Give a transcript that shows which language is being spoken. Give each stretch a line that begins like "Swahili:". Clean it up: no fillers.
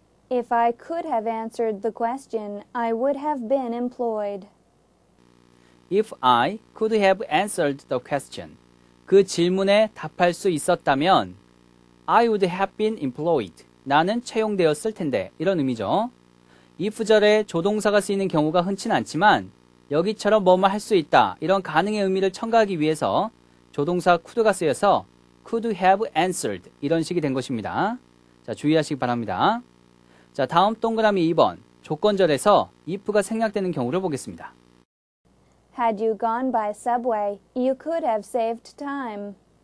English: If I could have answered the question, I would have been employed. If I could have answered the question,
Korean: 그 질문에 답할 수 있었다면,
English: I would have been employed.
Korean: 나는 채용되었을 텐데, 이런 의미죠. if절에 조동사가 쓰이는 경우가 흔치 않지만, 여기처럼 뭐뭐 할 수 있다, 이런 가능의 의미를 첨가하기 위해서 조동사 could가 쓰여서 could have answered, 이런 식이 된 것입니다. 자, 주의하시기 바랍니다. 자, 다음 동그라미 2번, 조건절에서 if가 생략되는 경우를 보겠습니다.
English: Had you gone by subway, you could have saved time.